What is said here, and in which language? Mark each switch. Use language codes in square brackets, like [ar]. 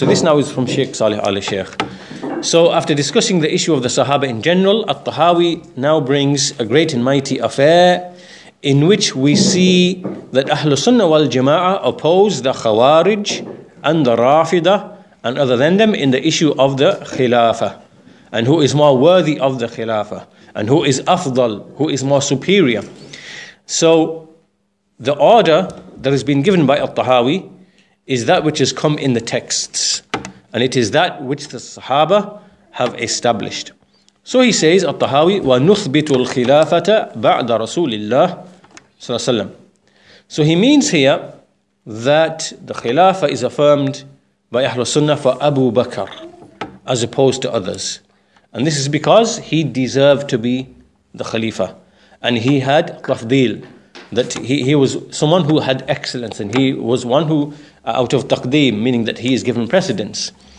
[en] So this now is from Shaykh Saleh al-Sheikh. So after discussing the issue of the Sahaba in general, At-Tahawi now brings a great and mighty affair in which we see that Ahlu Sunnah wal Jama'ah oppose the Khawarij and the Rafida and other than them in the issue of the Khilafah, and who is more worthy of the Khilafah, and who is afdal, who is more superior. So the order that has been given by Al-Tahawi is that which has come in the texts, and it is that which the Sahaba have established. So he says, [ar] At-Tahawi, وَنُثْبِتُ الْخِلَافَةَ بَعْدَ رَسُولِ اللَّهِ صَلَّى اللَّهُ عَلَيْهِ وَسَلَّمَ. [en] So he means here that the Khilafah is affirmed by Ahlul Sunnah for Abu Bakr as opposed to others. And this is because he deserved to be the Khalifa. And he had tafdil, that he was someone who had excellence, and he was one who, out of taqdeem, meaning that he is given precedence.